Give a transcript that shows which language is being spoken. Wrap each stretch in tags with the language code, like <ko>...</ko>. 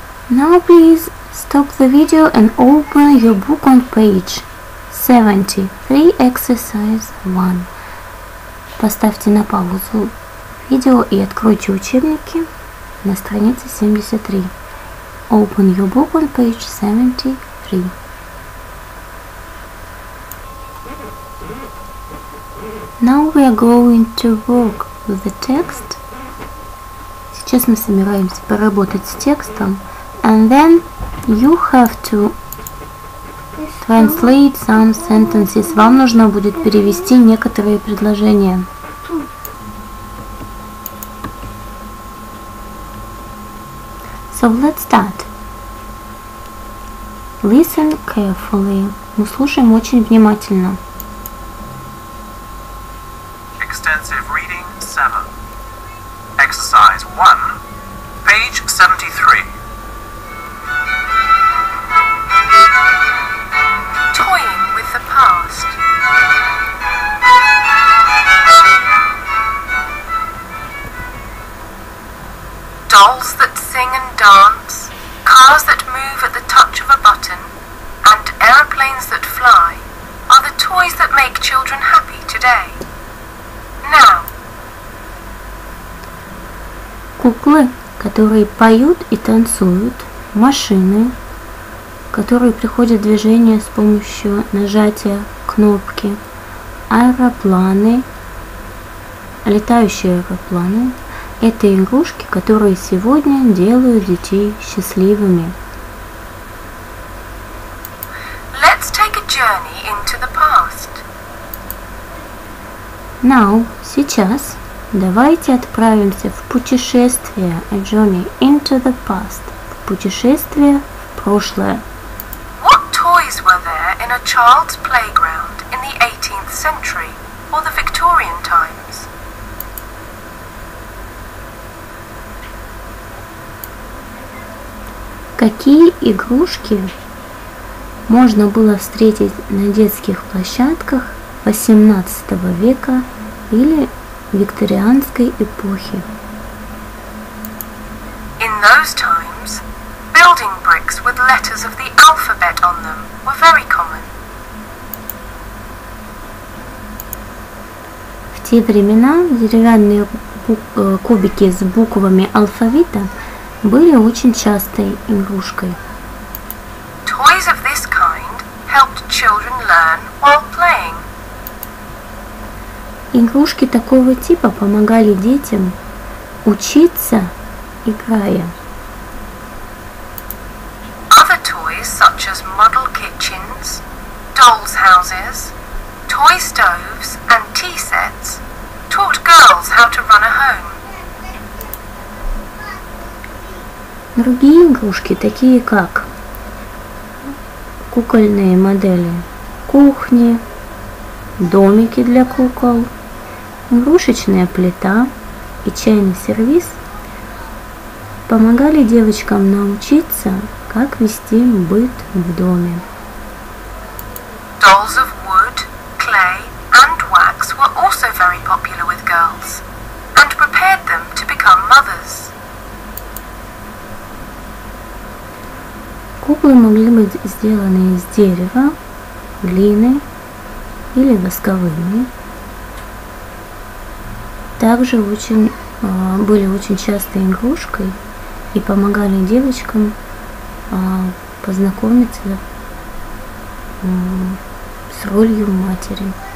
<en>Now please stop the video and open your book on page 73, exercise 1.</en> <ru>Поставьте на паузу видео и откройте учебники на странице 73.</ru> <en>Open your book on page 73. Now we are going to work with the text.</en> <ru>Сейчас мы собираемся поработать с текстом.</ru> <en>And then you have to translate some sentences.</en> <ru>Вам нужно будет перевести некоторые предложения.</ru> <en>So let's start. Listen carefully.</en> <ru>Мы слушаем очень внимательно.</ru> <en>Extensive reading 7. Exercise 1, page 73. Toying with the past. Dolls that sing and dance, cars that move at the touch of a button, and aeroplanes that fly are the toys that make children happy today. Now.</en> <ru>Куклы, которые поют и танцуют, машины, которые приходят в движение с помощью нажатия кнопки, аэропланы, летающие аэропланы. Это игрушки, которые сегодня делают детей счастливыми.</ru> <en>Let's take a journey into the past. Now,</en> <ru>сейчас, давайте отправимся в путешествие.</ru> <en>A journey into the past.</en> <ru>В путешествие в прошлое.</ru> <en>What toys were there in a child's playground in the 18th century or the Victorian time?</en> <ru>Какие игрушки можно было встретить на детских площадках 18 века или викторианской эпохи?</ru> <en>In those times, building bricks with letters of the alphabet on them were very common.</en> <ru>В те времена деревянные кубики с буквами алфавита были очень частой игрушкой.</ru> <en>Toys of this kind helped children learn while playing.</en> <ru>Игрушки такого типа помогали детям учиться, играя.</ru> <en>Other toys, such as model kitchens, dolls' houses, toy stoves and tea sets, taught girls how to run a home.</en> <ru>Другие игрушки, такие как кукольные модели кухни, домики для кукол, игрушечная плита и чайный сервиз, помогали девочкам научиться, как вести быт в доме.</ru> <en>Dolls of wood, clay and wax were also very popular with girls and prepared them to become mothers.</en> <ru>Куклы могли быть сделаны из дерева, глины или восковыми. Также были очень частой игрушкой и помогали девочкам познакомиться с ролью матери.</ru>